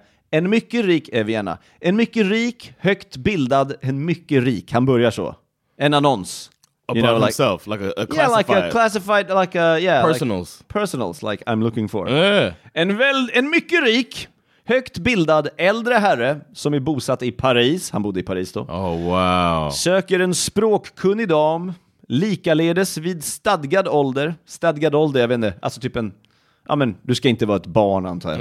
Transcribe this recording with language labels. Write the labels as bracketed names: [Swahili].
[Swedish] en mycket rik, Vienna. En mycket rik, högt bildad, en mycket rik. Han börjar så. En annons. [English] About, you know, himself, like a classified. Yeah, like a classified, like a, yeah. Personals. Like, personals, like I'm looking for. Yeah. [Swedish] En mycket rik, högt bildad, äldre herre som är bosatt i Paris. Han bodde i Paris då. [English] Oh, wow. [Swedish] Söker en språkkunnig dam, likaledes vid stadgad ålder. Stadgad ålder, jag vet inte, alltså typ en... Ja, men du ska inte vara ett barn, antar jag.